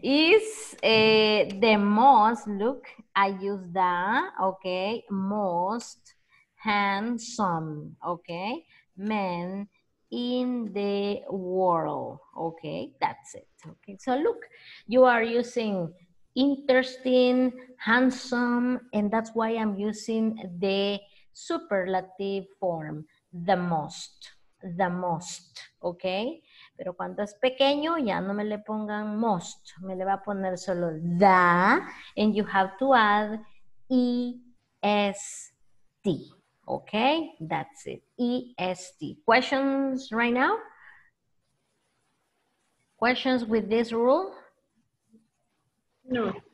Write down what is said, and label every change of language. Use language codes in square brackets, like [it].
[en] Is the most, look, I use the, okay, most handsome, okay, man in the world, okay? That's it, okay? So look, you are using interesting, handsome, and that's why I'm using the superlative form, the most. The most, okay? [es] Pero cuando es pequeño, ya no me le pongan most. Me le va a poner solo the. [en] And you have to add E-S-T, okay? That's it, E-S-T. Questions right now? Questions with this rule? No.